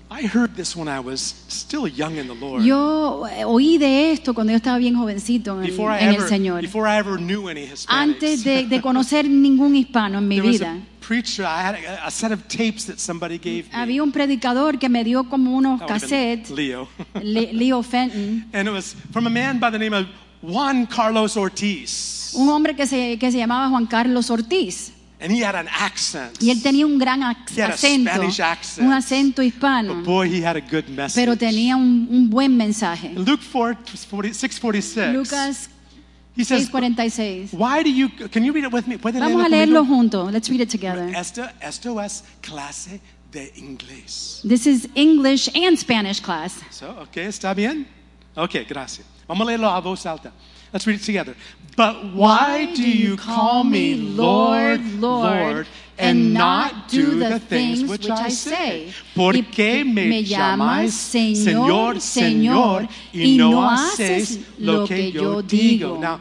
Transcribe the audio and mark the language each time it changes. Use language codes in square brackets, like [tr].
[en] I heard this when I was still young in the Lord. [es] Yo oí de esto cuando yo estaba bien jovencito en, [en] before [es] en [en] ever, [es] el Señor. [en] Before I ever knew any Hispanics. [es] Antes de conocer ningún hispano en mi [en] there [es] vida. [en] Was a preacher, I had a set of tapes that somebody gave me. [es] Había un predicador que me dio como unos [en] that [es] cassettes. [en] Leo. Leo Fenton. And it was from a man by the name of Juan Carlos Ortiz. [es] Un hombre que se llamaba Juan Carlos Ortiz. [en] And he had an accent. [es] Y él tenía un gran acento. [en] He had a Spanish accent. [es] Un acento hispano. [en] But boy, he had a good message. [es] Pero tenía un buen mensaje. [en] Luke 6:46. [es] Lucas [en] 6:46. Why do you? Can you read it with me? [es] Vamos leerlo a leerlo juntos. [en] Let's read it together. [es] Esto es clase de inglés. [en] This is English and Spanish class. [es] So, okay, está bien. Okay, gracias. Vamos a leerlo a voz alta. [en] Let's read it together. But why do you call me Lord, Lord, and not do the things which I say? [es] ¿Por qué me llamas Señor, Señor, y no haces lo que yo digo?